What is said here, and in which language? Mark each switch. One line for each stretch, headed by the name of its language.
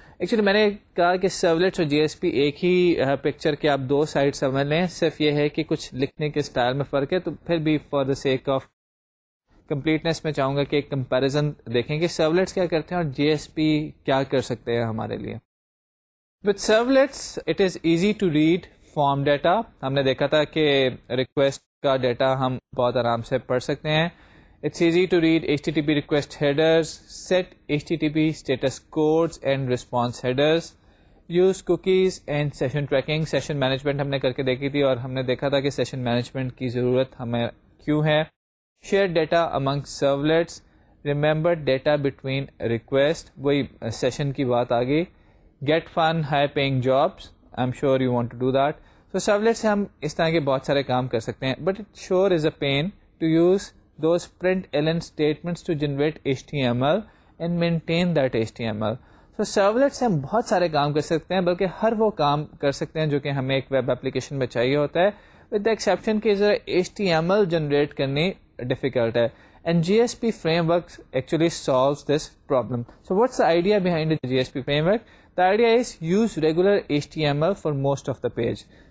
Urdu: Actually میں نے کہا کہ سرولیٹس اور جی ایس پی ایک ہی پکچر کے آپ دو سائڈ سمجھ لیں, صرف یہ ہے کہ کچھ لکھنے کے اسٹائل میں فرق ہے. تو پھر بھی for the sake of completeness میں چاہوں گا کہ ایک کمپیرزن دیکھیں کہ سرولیٹس کیا کرتے ہیں اور جی ایس پی کیا کر سکتے ہیں ہمارے لیے.
English: With servlets, it is easy to read form data.
Urdu: ہم نے دیکھا تھا کہ ریکویسٹ کا ڈیٹا ہم بہت آرام سے پڑھ سکتے ہیں.
English: It's easy to read HTTP request headers, set HTTP status codes and response headers, use cookies and session tracking.
Urdu: Session management ہم نے کر کے دیکھی تھی, اور ہم نے دیکھا تھا کہ session management کی ضرورت ہمیں کیوں ہے.
English: Share data among servlets, remember data between request.
Urdu: وہی session کی بات آ گئی.
English: Get fun, high-paying jobs. I'm sure you want to do that.
Urdu: So, servlets سے ہم اس طرح کے بہت سارے کام کر سکتے ہیں.
English: But it sure is a pain to use those println statements to generate HTML and maintain that HTML.
Urdu: So, servlets سے ہم بہت سارے کام کر سکتے ہیں, بلکہ ہر وہ کام کر سکتے ہیں جو کہ ہمیں ایک ویب اپلیکیشن میں چاہیے ہوتا ہے,
English: with the exception
Urdu: کہ ذرا HTML generate کرنی difficult ہے.
English: And GSP frameworks actually solves this problem. So, what's the idea behind the GSP framework? The idea is use regular HTML for most of the page.